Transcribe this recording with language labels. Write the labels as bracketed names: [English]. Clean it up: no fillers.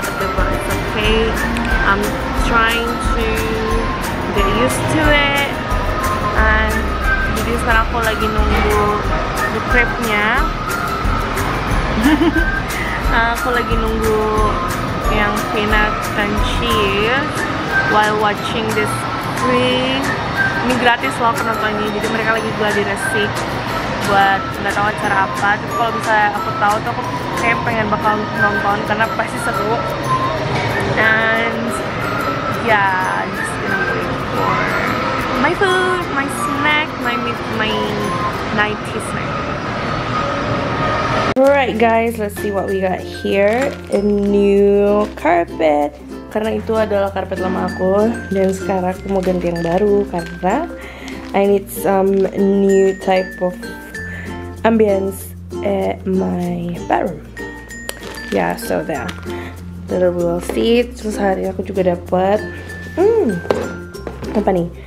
[English] Tapi but it's okay, I'm trying to get used to it. [Indonesian] And jadi sekarang aku lagi nunggu the trip-nya. Aku lagi nunggu yang Vina dan Chi [English] while watching this free. [Indonesian] Ini gratis loh penontonnya, jadi mereka lagi gladi resik buat gak tahu acara apa. Tapi kalau misalnya aku tahu tuh aku kayak pengen bakal nonton karena pasti seru. [English] And yeah, just gonna wait for my food, my snack, my nighty snack. Alright guys, let's see what we got here. A new carpet. [Indonesian] Karena itu adalah karpet lama aku dan sekarang aku mau ganti yang baru karena [English] I need some new type of ambience at my bedroom. Yeah, so there. Little wheel seat. [Indonesian] Terus hari aku juga dapat apa nih?